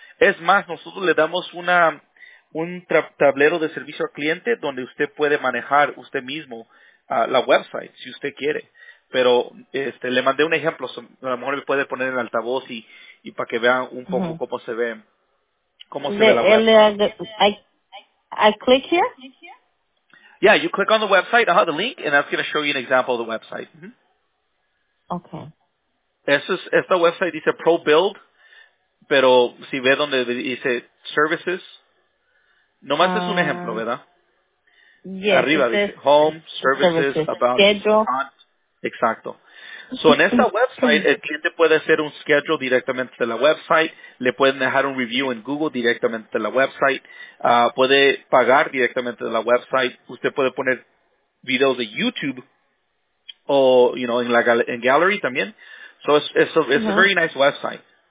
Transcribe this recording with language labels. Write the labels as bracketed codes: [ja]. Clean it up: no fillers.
[es] Es más, nosotros le damos un tablero de servicio al cliente donde usted puede manejar usted mismo la website, si usted quiere. Pero le mandé un ejemplo, a lo mejor me puede poner en altavoz y para que vean un poco cómo se ve. ¿Cómo se ve la website? [en] I click here? Yeah, you click on the website, I have the link, and that's going to show you an example of the website. Okay. [es] Esta website dice Pro Build, pero si ve donde dice Services, nomás es un ejemplo, ¿verdad? [en] Yes, [es] arriba dice Home, Services, About, [en] Schedule. [es] Exacto. So, en esta website, el cliente puede hacer un schedule directamente de la website, le pueden dejar un review en Google directamente de la website, puede pagar directamente de la website, usted puede poner videos de YouTube o, you know, en Gallery también. [en] So, it's a very nice website.